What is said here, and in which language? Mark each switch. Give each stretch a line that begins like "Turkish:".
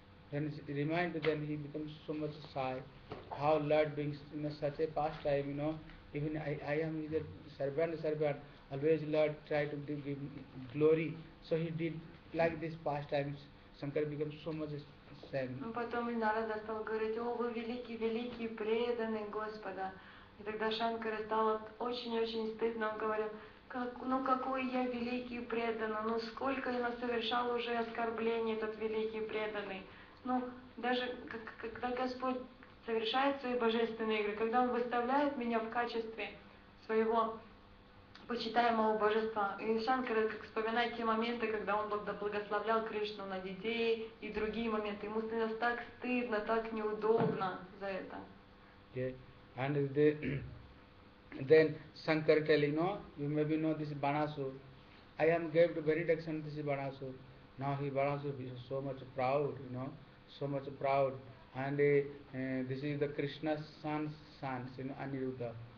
English: Then remind them, he becomes so much shy. How Lord brings, you know, such a pastime, you know, even I am either servant, always Lord try to give glory. So he did like this pastime, Shankara becomes so much
Russian: Потом и Нарада стал говорить: «О, вы великий, преданный Господа!» И тогда Шанкара стало очень-очень стыдно, он говорил: какой я великий преданный, ну сколько я насовершал уже оскорблений, этот великий преданный!» Ну, даже когда Господь совершает свои божественные игры, когда Он выставляет меня в качестве своего почитаемого божества. И Шанкара, как вспоминает те моменты, когда он благословлял Кришну на детей и другие моменты, ему становилось так стыдно, так неудобно за это.
English: Yeah. And the, then Shankar telling, no, you maybe know this Banasura. I am gave to very direction this Banasura. Now he Banasura is so much proud, you know, so much proud. And this is the Krishna's son's son, you know, Aniruddha.